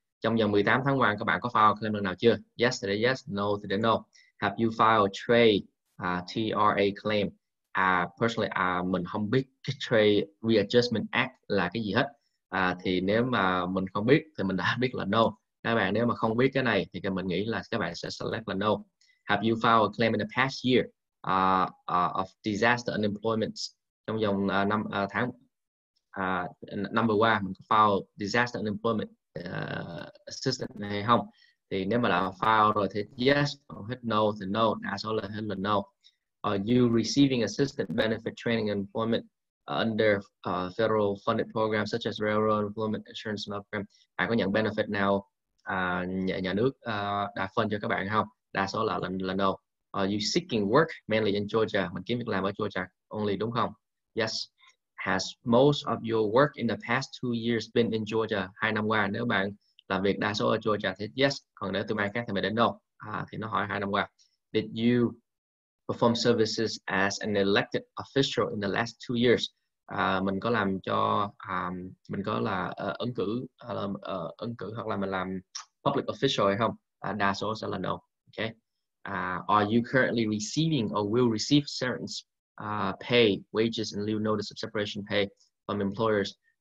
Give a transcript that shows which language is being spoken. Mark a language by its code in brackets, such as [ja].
[vi] Trong vòng 18 tháng qua, các bạn có file claim lần nào chưa? [en] Yes, today yes. No, today no. Have you filed TRA, TRA claim? Personally, [vi] mình không biết cái TRA Readjustment Act là cái gì hết. Thì nếu mà mình không biết, thì mình đã biết là no. Các bạn nếu mà không biết cái này, thì mình nghĩ là các bạn sẽ select là no. [en] Have you filed a claim in the past year of disaster unemployment? [vi] Trong vòng 5 tháng, năm vừa qua, mình có file disaster unemployment assistant hay không? Thì nếu mà là file rồi thì yes, or hit no thì no, đa số là hit là no. [en] Are you receiving assistant benefit training and employment under federal funded programs such as Railroad Employment Insurance Program? [vi] Bạn có nhận benefit nào nhà nước đã phân cho các bạn không? Đa số là no. [en] Are you seeking work mainly in Georgia? [vi] Mình kiếm việc làm ở Georgia only đúng không? [en] Yes. Has most of your work in the past 2 years been in Georgia? [vi] 2 năm qua, nếu bạn làm việc đa số ở Georgia thì yes. Còn nếu tương lai khác thì mình đến no. Thì nó hỏi 2 năm qua. [en] Did you perform services as an elected official in the last 2 years? [vi] Mình có làm cho mình có là ứng cử ứng cử hoặc là mình làm public official hay không? Đa số sẽ là no. Okay. [en] Are you currently receiving or will receive severance pay, wages and leave notice of separation pay from employers?